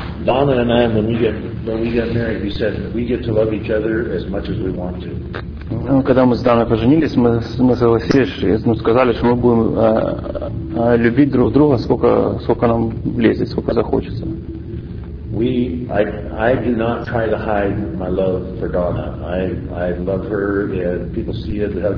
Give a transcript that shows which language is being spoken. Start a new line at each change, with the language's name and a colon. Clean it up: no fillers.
English: Donna and I, when we get married, we said we get to love each other as much as we want to.
Russian: Ну, когда мы с Даной поженились, мы согласились, мы сказали, что мы будем любить друг друга, сколько нам влезет, сколько захочется.
English: I do not try to hide my love for Donna. I love her, and people see it.